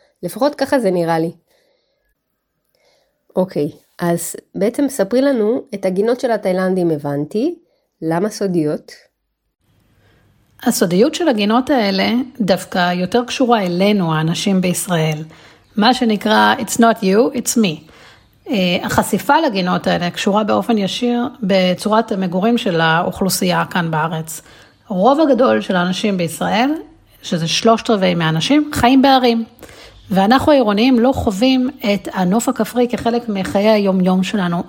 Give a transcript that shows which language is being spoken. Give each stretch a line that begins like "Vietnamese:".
Hebrew: לפחות ככה זה נראה לי. אוקיי, אז בעצם ספרי לנו את הגינות של התאילנדים הבנתי, למה סודיות? הסודיות של הגינות האלה דווקא יותר קשורה אלינו, האנשים בישראל. מה שנקרא,
English: it's not you, it's me.
Hebrew: החשיפה לגינות האלה קשורה באופן ישיר בצורת המגורים של האוכלוסייה כאן בארץ. רוב הגדול של האנשים בישראל, שזה 3/4 מהאנשים, חיים בערים. ואנחנו העירוניים לא חווים את הנוף הכפרי כחלק מחיי היומיום שלנו.